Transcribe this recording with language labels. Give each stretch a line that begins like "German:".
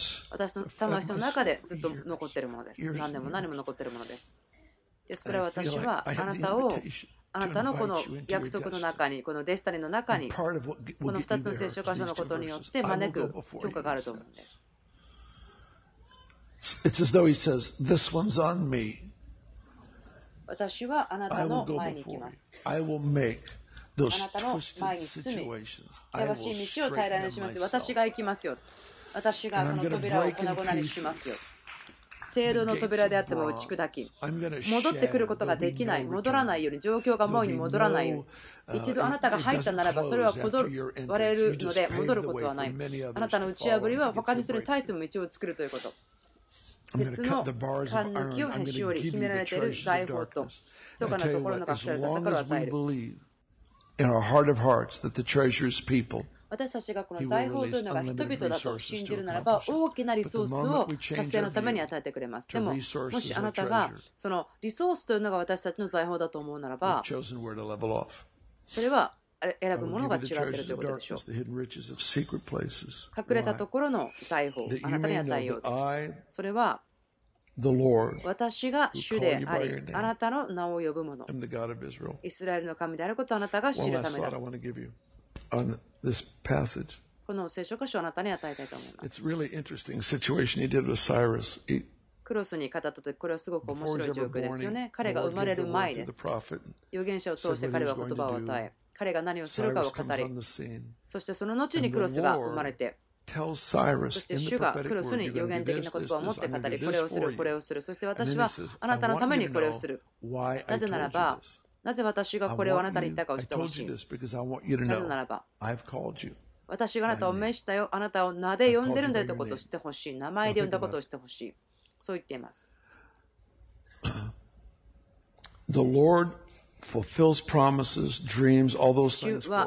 Japanese: 私の魂の中でずっと残っているものです。何でも何も残っているものです。ですから私はあなたを、あなたのこの約束の中に、このデスタリーの中に、この2つの聖書箇所のことによって招く許可があると思うんです。
English: It's as though he says, this one's on me.
Japanese: 私はあなたの前に行きます。
English: I will make those twisted situations.
Japanese: 険しい道を平らにします。私が行きますよ。私がその扉を粉々にしますよ。聖堂の扉であっても打ち砕き、戻ってくることができない、戻らないように、状況が思うように戻らないように、一度あなたが入ったならばそれは断れるので戻ることはない。あなたの打ち破りは他の人に対しても道を作るということ。鉄の貫禄をへし折り、秘められている財宝と密かなところの隠された宝を与える。
English: in our heart of hearts that the treasure's people.
Japanese: 私たちがこの財宝というのが人々だと信じるならば大きなリソースを達成のために与えてくれます。でももしあなたがそのリソースというのが私たちの財宝だと思うならばそれは選ぶものが違っているということでしょう。隠れたところの財宝をあなたに与えようと。それは私が主でありあなたの名を呼ぶものイスラエルの神であることをあなたが知るためだ。
English: On this passage.
Japanese: この聖書箇所をあなたに与えたいと思います。
English: It's really interesting situation he did with Cyrus.
Japanese: クロスに語った時、これはすごく面白い状況ですよね。彼が生まれる前です。預言者を通して彼は言葉を与え、彼が何をするかを語り、そしてその後にクロスが生まれて、そして主がクロスに預言的な言葉を持って語り、これをする、これをする。そして私はあなたのためにこれをする。なぜならば、なぜ私がこれをあなたに言ったかを知ってほしい。なぜならば、私があなたを召したよ、あなたを名で呼んでるんだよということを知ってほしい。名前で呼んだことを知ってほしい。そう言っています。
English: The Lord fulfills promises, dreams, all those things for us.